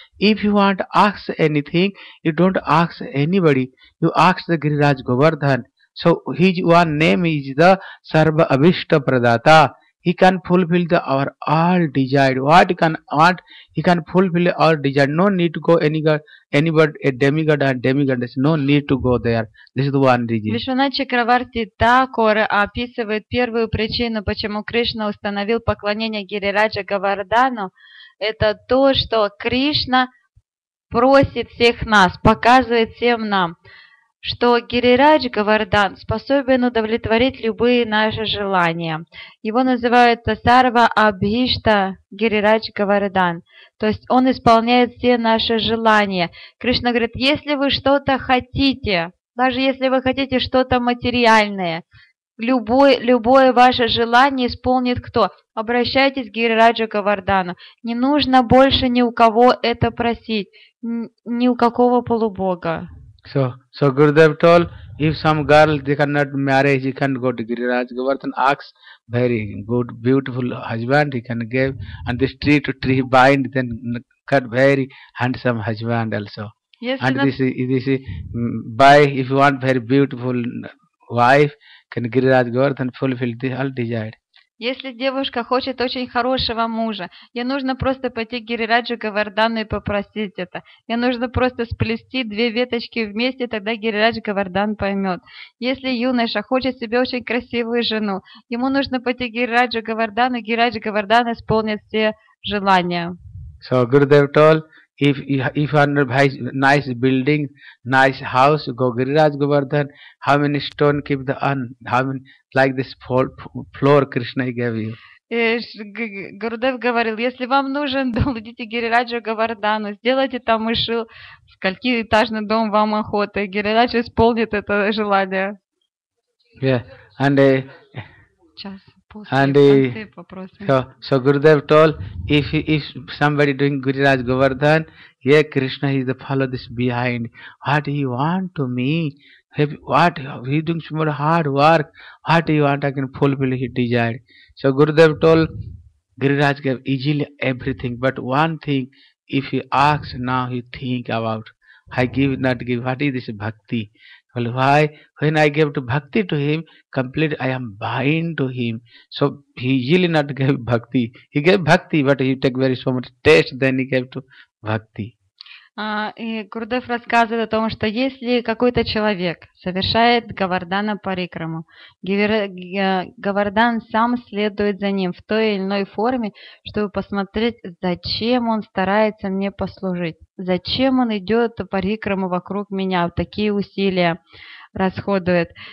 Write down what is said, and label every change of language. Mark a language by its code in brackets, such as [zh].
[en] If you want to ask anything, you don't ask anybody, you ask the Giriraj Govardhan. So his one name is the Sarva Abhishta Pradata. He can fulfill the our all desired. He can fulfill our desired. No need to go anybody a demigod and demigoddess. No need to go there. This is the one reason. [ru] Вишванат Чакраварти Такур описывает первую причину, почему Кришна установил поклонение Гирираджа Говардхану. Это то, что Кришна просит всех нас, показывает всем нам, что Гирирадж Говардхан способен удовлетворить любые наши желания. Его называют Сарва Абхишта Гирирадж Говардхан. То есть он исполняет все наши желания. Кришна говорит, если вы что-то хотите, даже если вы хотите что-то материальное, любое ваше желание исполнит кто? Обращайтесь к Гирираджу Говардхану. Не нужно больше ни у кого это просить, ни у какого полубога. [en] So Gurudev told, if some girl they cannot marry, she can go to Giriraj Govardhan, ask very good, beautiful husband, he can give, and this tree to tree bind, then cut very handsome husband also. Yes, and this is by, if you want very beautiful wife, can Giriraj Govardhan fulfill the all desired. [ru] Если девушка хочет очень хорошего мужа, ей нужно просто пойти к Гирираджу Говардхану и попросить это. Ей нужно просто сплести две веточки вместе, тогда Гирирадж Говардхан поймет. Если юноша хочет себе очень красивую жену, ему нужно пойти к Гирираджу Говардхану, и Гирирадж Говардхан исполнит все желания. [en] So Gurudev told, if you have a nice building, nice house, go Giriraj Govardhan, how many stone keep the un, how many, like this floor Krishna gave you. [ru] Гурудев говорил, если вам нужен дом, идите Гирираджу Говардхану, сделайте там еще, скольки этажный дом вам охота, Гирирадж исполнит это желание. [en] Yeah, and [ru] час. [en] And so Gurudev told, if somebody doing Giriraj Govardhan, Krishna is the follow this behind. What he want to me? What he doing some more hard work? What he want? I can fulfill his desire. So Gurudev told, Giriraj gave easily everything, but one thing, if he asks now, he think about. I give not give. What is this bhakti? Well, why? When I gave to bhakti to him, complete I am bind to him. So he really not gave bhakti. He gave bhakti, but he took very so much taste, then he gave to bhakti. [ru] И Гурудев рассказывает о том, что если какой-то человек совершает Гавардана Парикраму, Гавардан сам следует за ним в той или иной форме, чтобы посмотреть, зачем он старается мне послужить, зачем он идет Парикраму вокруг меня, вот такие усилия расходует.